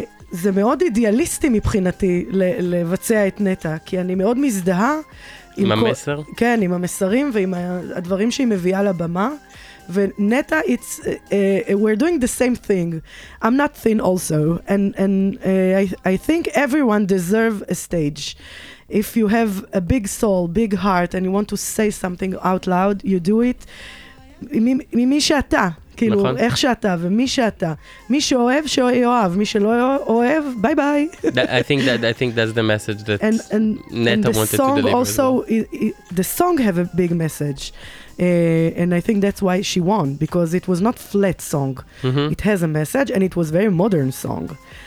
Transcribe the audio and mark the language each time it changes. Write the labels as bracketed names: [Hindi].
[Hebrew] זה מאוד אידיאליסטי מבחינתי לבצע את נטה, כי אני מאוד מזדהה עם המסר. כן, עם המסרים ועם הדברים שהיא מביאה לבמה. [English] Neta, it's we're doing the same thing. I'm not thin also, and I think everyone deserves a stage. If you have a big soul, big heart, and you want to say something out loud, you do it. [Hebrew] ממי שאתה, כאילו, איך שאתה, ומי שאתה. מי שאוהב, שאוהב. מי שלא אוהב, ביי ביי. [English] I think that's the message that Neta wanted to deliver. Also, the song have a big message. And I think that's why she won, because it was not flat song. Mm-hmm. It has a message, and it was very modern song.